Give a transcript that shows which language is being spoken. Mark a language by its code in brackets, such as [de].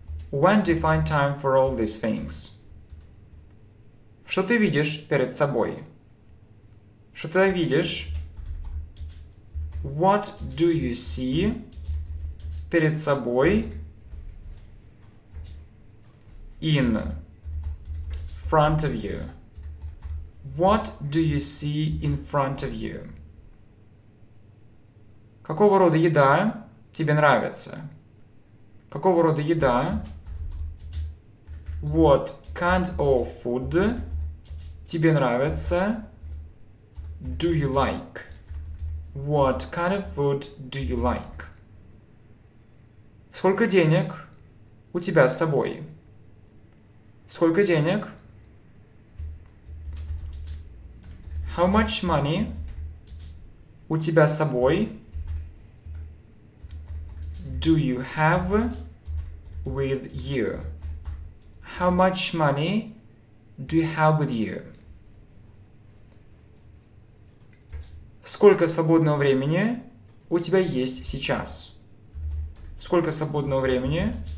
[en] When do you find time for all these things? [ru] Что ты видишь перед собой? Что ты видишь? [en] What do you see [ru] перед собой? [en] In front of you. What do you see in front of you? [ru] Какого рода еда тебе нравится? Какого рода еда? [en] What kind of food [ru] тебе нравится? [en] Do you like? What kind of food do you like? [ru] Сколько денег у тебя с собой? Сколько денег? [en] How much money [ru] у тебя с собой? [en] Do you have with you? How much money do you have with you? [ru] Сколько свободного времени у тебя есть сейчас? Сколько свободного времени?